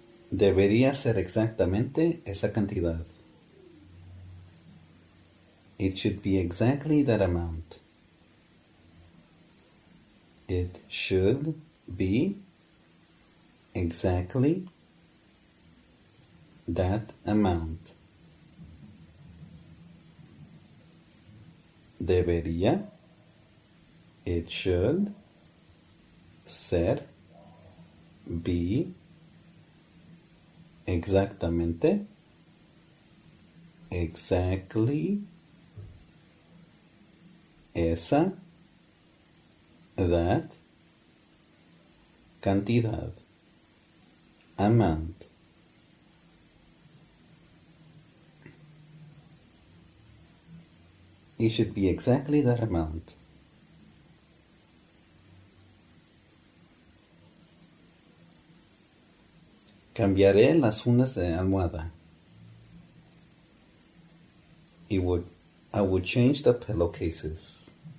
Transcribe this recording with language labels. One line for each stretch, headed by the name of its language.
Spanish: Debería ser exactamente esa cantidad.
English: It should be exactly that amount. It should be exactly that amount.
Spanish: Debería.
English: It should
Spanish: ser
English: be
Spanish: exactamente,
English: exactly,
Spanish: esa,
English: that,
Spanish: cantidad,
English: amount. It should be exactly that amount.
Spanish: Cambiaré las fundas de almohada.
English: I would change the pillowcases.